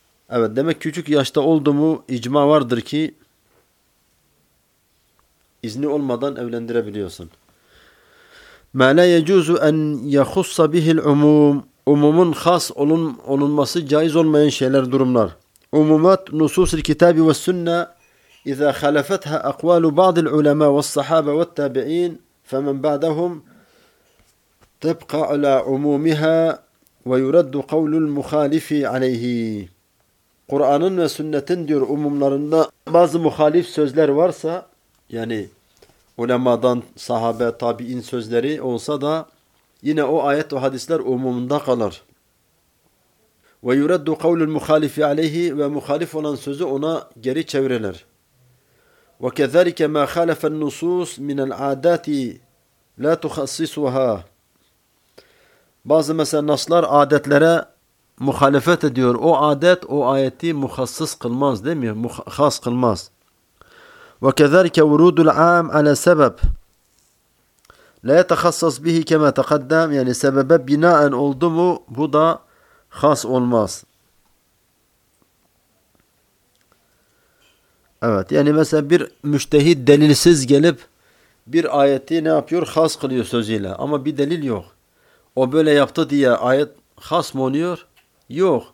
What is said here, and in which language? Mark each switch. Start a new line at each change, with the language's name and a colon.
Turkish: Evet, demek küçük yaşta oldu mu icma vardır ki izni olmadan evlendirebiliyorsun.
Arabic: Mâ la yecûzu en yehussa bihil umûm.
Turkish: Umumun khas olunması caiz olmayan şeyler, durumlar.
Arabic: Umumat nusûsil kitâbi ve sünne اِذَا خَلَفَتْهَا اَقْوَالُ بَعْضِ الْعُلَمَا وَالصَّحَابَ وَالتَّابِعِينَ فَمَنْ بَعْدَهُمْ تَبْقَ عَلَى عُمُومِهَا وَيُرَدُّ قَوْلُ الْمُخَالِفِ عَلَيْهِ.
Turkish: Kur'an'ın ve sünnetin diyor umumlarında bazı muhalif sözler varsa, yani ulemadan sahabe, tabi'in sözleri olsa da yine o ayet ve hadisler umumunda kalır.
Arabic: وَيُرَدُّ قَوْلُ الْمُخَالِفِ عَلَيْهِ
Turkish: ve muhalif olan sözü ona geri çevirilir.
Arabic: وكذلك ما خالف النصوص من العادات لا تخصصها.
Turkish: Bazı mesela naslar adetlere muhalefet ediyor. O adet o ayeti muhassıs kılmaz, değil mi? Khas kılmaz.
Arabic: وكذلك ورود العام على سبب لا يتخصص به كما تقدم.
Turkish: Yani sebebe binaen oldu mu bu da khas olmaz. Evet, yani mesela bir müştehid delilsiz gelip bir ayeti ne yapıyor? Has kılıyor sözüyle ama bir delil yok. O böyle yaptı diye ayet has mı oluyor? Yok.